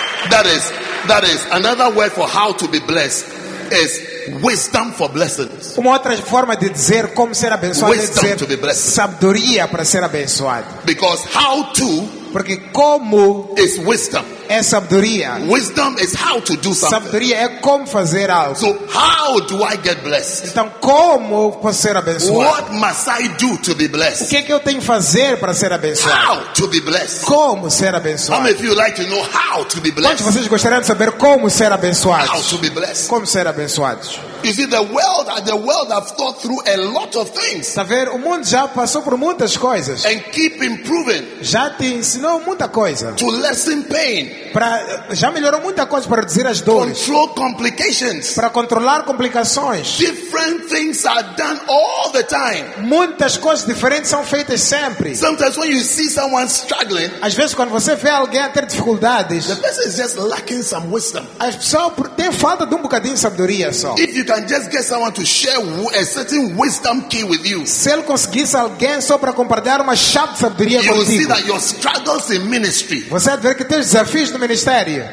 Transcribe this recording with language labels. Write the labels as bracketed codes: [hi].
[en] That is another word for how to be blessed is wisdom for blessings. [pt] Uma outra forma de dizer como ser abençoado [en] wisdom [pt] é dizer [en] to be blessed. [pt] Sabedoria para ser abençoado. [en] Because how to [pt] porque como [en] is wisdom. [pt] É sabedoria. [en] Wisdom is how to do something. [pt] Sabedoria é como fazer algo. [en] So how do I get blessed? [pt] Então como posso ser abençoado? [en] What must I do to be blessed? [pt] O que eu tenho que fazer para ser abençoado? [en] How to be blessed? [pt] Como ser abençoado? [en] How many of you like to know how to be blessed? [pt] Quantos de vocês gostariam de saber como ser abençoado? [en] How to be blessed? [pt] Como ser abençoado? [en] You see the world have thought through a lot of things. [pt] Tá vendo? O mundo já passou por muitas coisas. [en] And keep improving. [pt] Já te ensinou muita coisa. [en] To lessen pain. [pt] Para já melhorou muita coisa para reduzir as dores. [en] Control complications. [pt] Para controlar complicações. [en] Different things are done all the time. [pt] Muitas coisas diferentes são feitas sempre. [en] Sometimes when you see someone struggling. [pt] Às vezes quando você vê alguém a ter dificuldades. [en] The person is just lacking some wisdom. [pt] A pessoa tem falta de um bocadinho de sabedoria só. [en] If you can just get someone to share a certain wisdom key with you, [pt] se ele conseguisse alguém só para compartilhar uma chave de sabedoria contigo, [en] you will see that your struggles in ministry, [pt] você vai ver que teus desafios no ministério,